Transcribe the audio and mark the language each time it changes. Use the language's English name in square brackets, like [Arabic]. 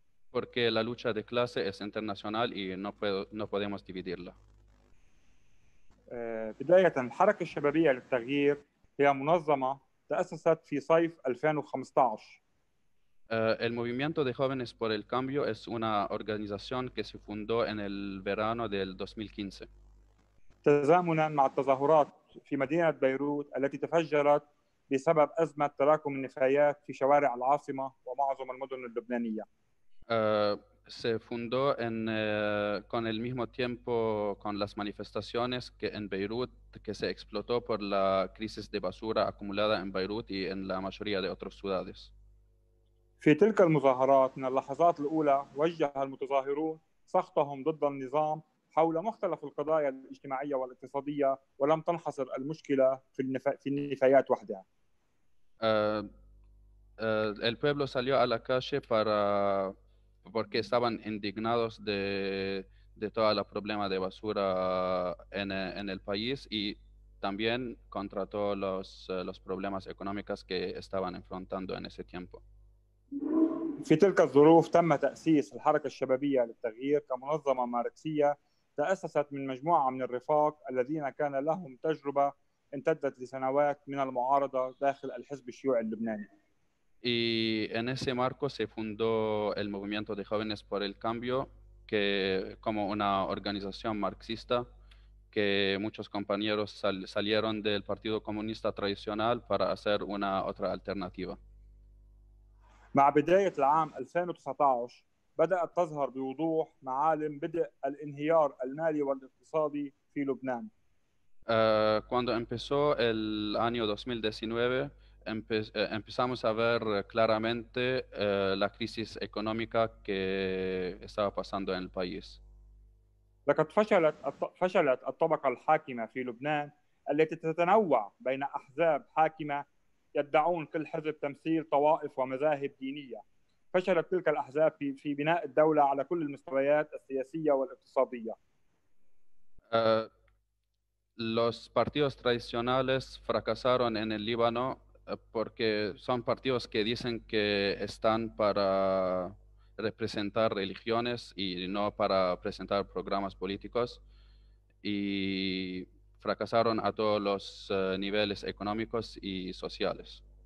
[Spanish] Porque la lucha de clase es internacional y no podemos dividirla. [Arabic] بداية الحركة الشبابية للتغيير هي منظمة تأسست في صيف 2015. [Spanish] El movimiento de jóvenes por el cambio es una organización que se fundó en el verano del 2015. [Arabic] تزامناً مع التظاهرات في مدينة بيروت التي تفجرت بسبب أزمة تراكم النفايات في شوارع العاصمة ومعظم المدن اللبنانية. [Spanish] Se fundó con el mismo tiempo con las manifestaciones que en Beirut que se explotó por la crisis de basura acumulada en Beirut y en la mayoría de otras ciudades. [Arabic] في تلك المظاهرات من اللحظات الأولى وجه المتظاهرون سخطهم ضد النظام حول مختلف القضايا الاجتماعية والاقتصادية ولم تنحصر المشكلة في النفايات وحدها. [Spanish] El pueblo salió a la calle para porque estaban indignados de toda la problema de basura en el país y también contra todos los problemas económicos que estaban enfrentando en ese tiempo. [Arabic] في تلك الظروف تم تأسيس الحركة الشبابية للتغيير كمنظمة ماركسية تأسست من مجموعة من الرفاق الذين كان لهم تجربة امتدت لسنوات من المعارضة داخل الحزب الشيوعي اللبناني. [Spanish] Y en ese marco se fundó el Movimiento de Jóvenes por el Cambio, que como una organización marxista, que muchos compañeros salieron del Partido Comunista Tradicional para hacer una otra alternativa. [Arabic] مع بداية العام 2019 بدأت تظهر بوضوح معالم بدء الانهيار المالي والاقتصادي في لبنان. [Spanish] Cuando empezó el año 2019, empezamos a ver claramente la crisis económica que estaba pasando en el país. [Arabic] لقد فشلت الطبقة الحاكمة في لبنان التي تتنوع بين أحزاب حاكمة يدعون كل حزب تمثيل طوائف ومذاهب دينية. فشلت تلك الأحزاب في بناء الدولة على كل المستويات السياسية والاقتصادية. [Spanish] Los partidos tradicionales fracasaron en el Líbano porque son partidos que dicen que están para representar religiones y no para presentar programas políticos y fracasaron a todos los niveles económicos y sociales.